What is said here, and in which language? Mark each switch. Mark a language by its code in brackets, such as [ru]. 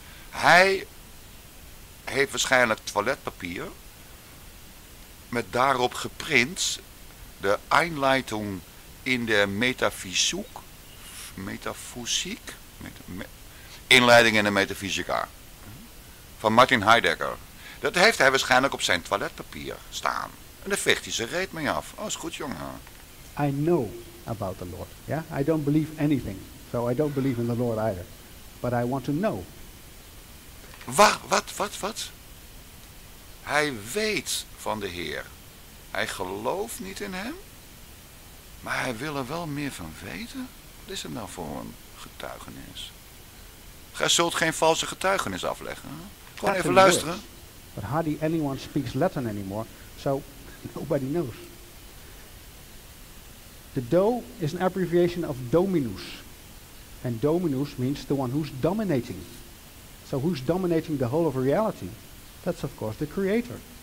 [nl] Hij heeft waarschijnlijk toiletpapier met daarop geprint de Einleitung in de Metafysiek. Metafysiek? Inleiding in de Metafysica. Van Martin Heidegger. Dat heeft hij waarschijnlijk op zijn toiletpapier staan. En daar veegt hij zijn reet mee af. Oh, is goed, jongen. [en] I know about the Lord. Yeah? I don't believe anything. So I don't believe in the Lord either. But I want to know. [nl] Wat? Hij weet van de Heer. Hij gelooft niet in hem. Maar hij wil er wel meer van weten. Wat is het nou voor een getuigenis? Gij zult geen valse getuigenis afleggen. Hè? Gewoon [en] Latin [nl] even luisteren. [en] Words. But hardly anyone speaks Latin anymore. So nobody knows. The Do is an abbreviation of Dominus. And Dominus means the one who's dominating. So who's dominating the whole of reality? That's of course the Creator.